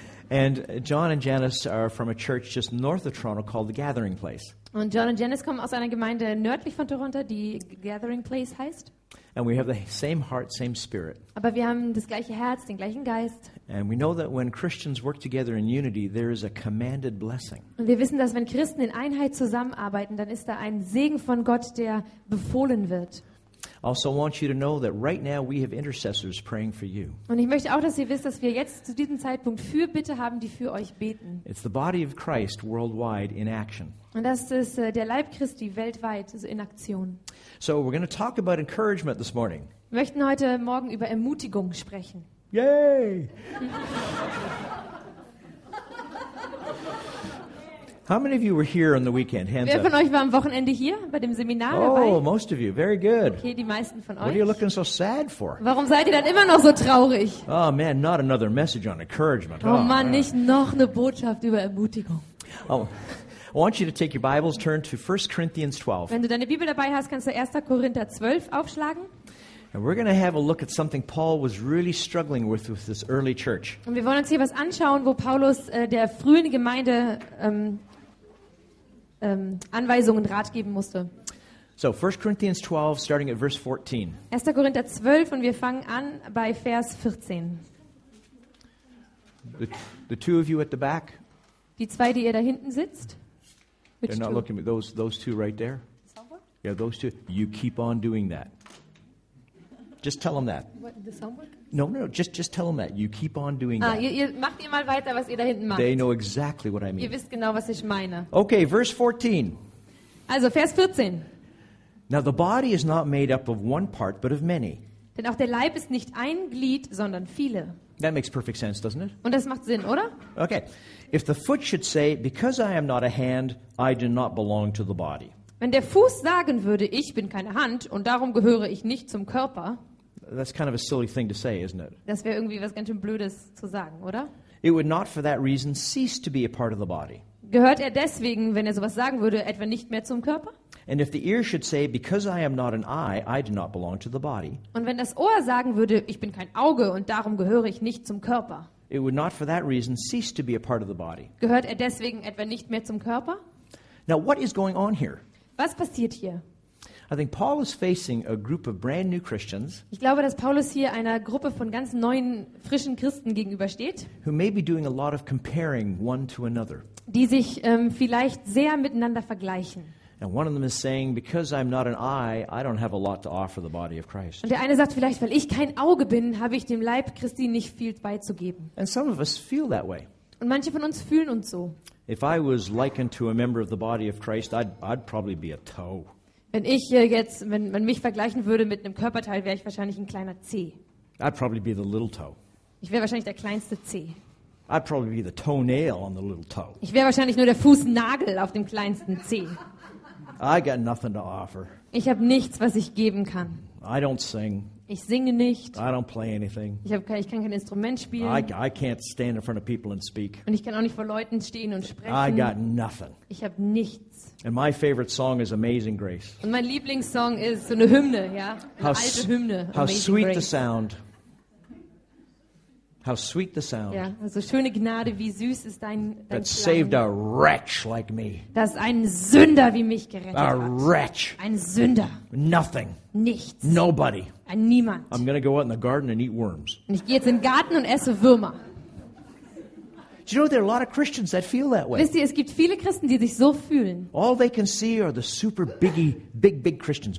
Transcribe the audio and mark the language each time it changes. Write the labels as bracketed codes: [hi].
[en] And John and Janice are from a church just north of Toronto called The Gathering Place. [de] Und John und Janice kommen aus einer Gemeinde nördlich von Toronto, die Gathering Place heißt. [en] And we have the same heart, same spirit. [de] Aber wir haben das gleiche Herz, den gleichen Geist. [en] And we know that when Christians work together in unity, there is a commanded blessing. [de] Und wir wissen, dass wenn Christen in Einheit zusammenarbeiten, dann ist da ein Segen von Gott, der befohlen wird. [en] Also want you to know that right now we have intercessors praying for you. [de] Und ich möchte auch, dass ihr wisst, dass wir jetzt zu diesem Zeitpunkt Fürbitte haben, die für euch beten. [en] It's the body of Christ worldwide in action. [de] Und das ist der Leib Christi weltweit in Aktion. [en] So we're going to talk about encouragement this morning. [de] Wir möchten heute Morgen über Ermutigung sprechen. Yay! [en] How many of you were here on the weekend? Hands up. [de] Wer von euch war am Wochenende hier bei dem Seminar dabei? [en] Oh, most of you. Very good. [de] Okay, die meisten von euch. [en] What are you looking so sad for? [de] Warum seid ihr dann immer noch so traurig? [en] Oh man, not another message on encouragement. [de] Oh man, nicht noch eine Botschaft über Ermutigung. [en] Oh, I want you to take your Bibles, turn to 1 Corinthians 12. [de] Wenn du deine Bibel dabei hast, kannst du 1. Korinther 12 aufschlagen. [en] And we're going to have a look at something Paul was really struggling with this early church. [de] Und wir wollen uns hier was anschauen, wo Paulus der frühen Gemeinde Anweisungen und Rat geben musste. [en] So 1 Corinthians 12 starting at verse 14. [de] 1. Korinther 12 und wir fangen an bei Vers 14. [en] The two of you at the back? [de] Die zwei, die ihr da hinten sitzt? [en] Which They're not two? Looking at those two right there? Yeah, those two. You keep on doing that. Just tell them that. No, just tell them that. You keep on doing that. [de] Ihr macht ihr mal weiter, was ihr da hinten macht. [en] They know exactly what I mean. [de] Ihr wisst genau, was ich meine. [en] Okay, verse 14. [de] Also Vers 14. [en] Now the body is not made up of one part, but of many. [de] Denn auch der Leib ist nicht ein Glied, sondern viele. [en] That makes perfect sense, doesn't it? [de] Und das macht Sinn, oder? [en] Okay. If the foot should say, because I am not a hand, I do not belong to the body. [de] Wenn der Fuß sagen würde, ich bin keine Hand und darum gehöre ich nicht zum Körper. [en] That's kind of a silly thing to say, isn't it? [de] Das wäre irgendwie was ganz schön Blödes zu sagen, oder? [en] It would not for that reason cease to be a part of the body. [de] Gehört er deswegen, wenn er sowas sagen würde, etwa nicht mehr zum Körper? [en] And if the ear should say, because I am not an eye, I do not belong to the body. [de] Und wenn das Ohr sagen würde, ich bin kein Auge und darum gehöre ich nicht zum Körper. [en] It would not for that reason cease to be a part of the body. [de] Gehört er deswegen etwa nicht mehr zum Körper? [en] Now what is going on here? [de] Was passiert hier? [en] I think Paul is facing a group of brand new Christians. [de] Ich glaube, dass Paulus hier einer Gruppe von ganz neuen, frischen Christen gegenübersteht. [en] Who may be doing a lot of comparing one to another. [de] Die sich vielleicht sehr miteinander vergleichen. [en] And one of them is saying, because I'm not an eye, I don't have a lot to offer the body of Christ. [de] Und der eine sagt vielleicht, weil ich kein Auge bin, habe ich dem Leib Christi nicht viel beizugeben. [en] And some of us feel that way. [de] Und manche von uns fühlen uns so. [en] If I was likened to a member of the body of Christ, I'd probably be a toe. [de] Wenn ich jetzt, wenn man mich vergleichen würde mit einem Körperteil, wäre ich wahrscheinlich ein kleiner Zeh. [en] I'd probably be the little toe. [de] Ich wäre wahrscheinlich der kleinste Zeh. [en] I'd probably be the toenail on the little toe. [de] Ich wäre wahrscheinlich nur der Fußnagel auf dem kleinsten Zeh. [en] I got nothing to offer. [de] Ich habe nichts, was ich geben kann. [en] I don't sing. [de] Ich singe nicht. [en] I don't play anything. [de] Ich kann kein Instrument spielen. [en] I can't stand in front of people and speak. [de] Und ich kann auch nicht vor Leuten stehen und sprechen. [en] I got nothing. [de] Ich habe nichts. [en] And my favorite song is Amazing Grace. [de] Und mein Lieblingssong ist so eine Hymne, ja, eine alte Hymne. [en] How sweet the sound. How sweet the sound. [de] Ja, also schöne Gnade, wie süß ist dein Klang. [en] That saved a wretch like me. [de] Das ein Sünder wie mich gerettet hat. [en] A wretch. [de] Ein Sünder. [en] Nothing. [de] Nichts. [en] Nobody. [de] Ein Niemand. [en] I'm going to go out in the garden and eat worms. [de] Und ich gehe jetzt in den Garten und esse Würmer. [en] Do you know there are a lot of Christians that feel that way? [de] Wisst ihr, es gibt viele Christen, die sich so fühlen. [en] All they can see are the super big Christians.